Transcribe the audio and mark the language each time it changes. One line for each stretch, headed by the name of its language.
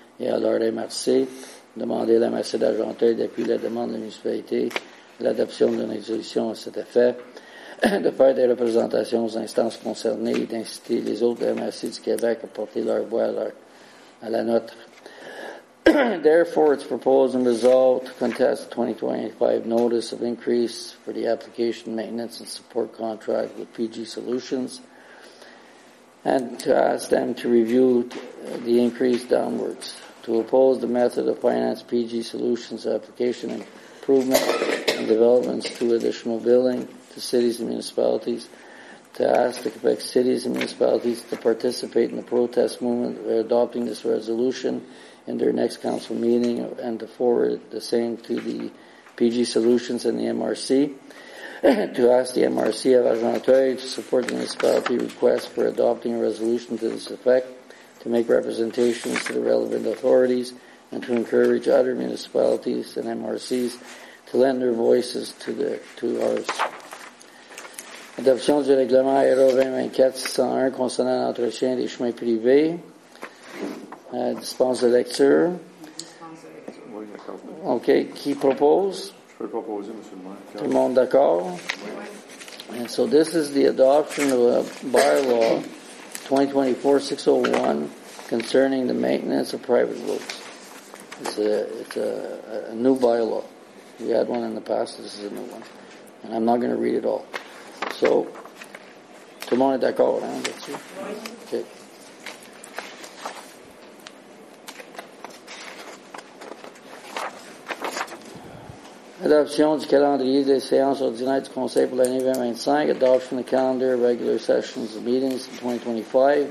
French: et à leur MRC, demander la MRC d'Argenteuil d'appuyer la demande de la municipalité, l'adoption d'une résolution à cet effet, de faire des représentations aux instances concernées et d'inciter les autres MRC du Québec à porter leur voix à la nôtre.
English: Therefore, it's proposed and resolved to contest the 2025 notice of increase for the application, maintenance, and support contract with PG Solutions, and to ask them to review the increase downwards. To oppose the method of finance PG Solutions application improvement and developments to additional billing to cities and municipalities. To ask the Quebec cities and municipalities to participate in the protest movement by adopting this resolution in their next council meeting and to forward the same to the PG Solutions and the MRC. To ask the MRC of Argenteuil to support the municipality request for adopting a resolution to this effect, to make representations to the relevant authorities, and to encourage other municipalities and MRCs to lend their voices to ours.
French: Adoption du règlement RO 2024-601 concernant l'entretien des chemins privés. Dispense de lecture. OK. Qui propose? Je peux proposer, monsieur le maire. Tout le monde d'accord? Oui.
English: And so this is the adoption of a bylaw 2024-601 concerning the maintenance of private roads. It's a new bylaw. We had one in the past. This is a new one. And I'm not going to read it all.
French: So, tout le monde est d'accord, hein? Oui. OK. Adoption du calendrier des séances ordinaires du Conseil pour l'année 2025.
English: Adoption of the calendar of regular sessions and meetings in 2025.